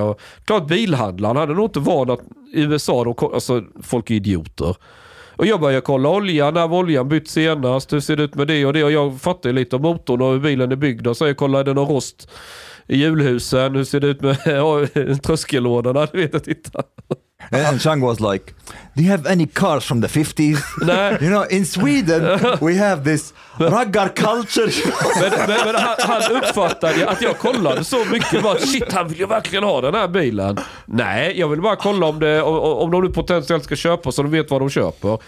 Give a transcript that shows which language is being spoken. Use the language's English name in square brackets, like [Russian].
[Swedish] Och, klart bilhandlaren hade nog inte van att i USA, alltså folk är idioter. Och jag börjar kolla oljan, när oljan bytt senast, hur ser det ut med det och det. Och jag fattar lite om motorn och hur bilen är byggd. Och så jag kollar, är det någon rost i hjulhusen? Hur ser det ut med tröskelådorna? Du vet, jag tittar. [English] And Chang was like, do you have any cars from the 50s? [Swedish] Nej. [English] You know, in Sweden we have this raggar culture. [Swedish] Men han uppfattade att jag kollade så mycket. Bara, shit, han vill ju verkligen ha den här bilen. Nej, jag vill bara kolla om de nu potentiellt ska köpa så de vet vad de köper.